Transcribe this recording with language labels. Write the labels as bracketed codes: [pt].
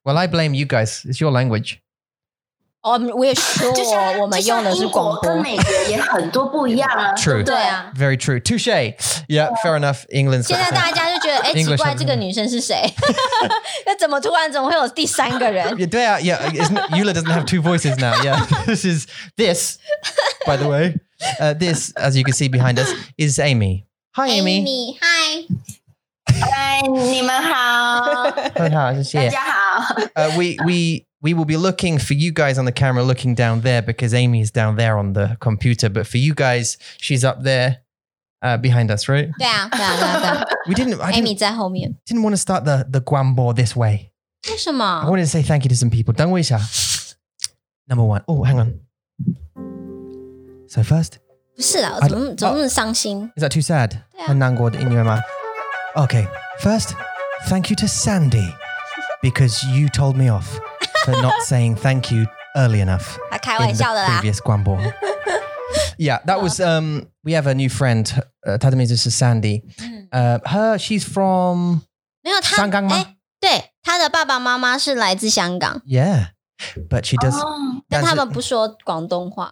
[en] Well, I blame you guys. It's your language. Oh, we're sure [zh] 我们用的是广播。英国跟美国也很多不一样啊。 [en] True. [zh] 对啊。 [en] Very true. Touché. Yeah, fair enough. England's [zh] 现在大家就觉得，哎，奇怪，这个女生是谁？那怎么突然怎么会有第三个人？对啊 [en] ，Yeah, Eula doesn't have two voices now. Yeah, this is by the way, this as you can see behind us is Amy. Hi, Amy. Hi. [zh] Hi, 你们好。很好，谢谢。大家好。 [en] We will be looking for you guys on the camera, looking down there, because Amy is down there on the computer. But for you guys, she's up there、behind us, right? [zh] 对啊，对啊，对啊。 [en] We didn't... [zh] Amy 在后面。 [en] Didn't want to start the 广播this way. [zh] 为什么? [en] I wanted to say thank you to some people. [zh] 等我一下。 [en] Number one. Oh, hang on. So first... [zh] 不是啦，怎么那么伤心、 [en] oh, ？Is that too sad？ [zh] 很难过的音乐吗 [en] ？Okay, first, thank you to Sandy because you told me off for not saying thank you early enough. [zh] 他开玩笑的啦。 [en] Previous 广播。 Yeah, that was we have a new friend. [zh] 她的名字是 Sandy. [en] She's from [zh] 没有香港吗？对，她的爸爸妈妈是来自香港。 [en] Yeah. But she does.、 [zh] Oh, 但他们不说广东话。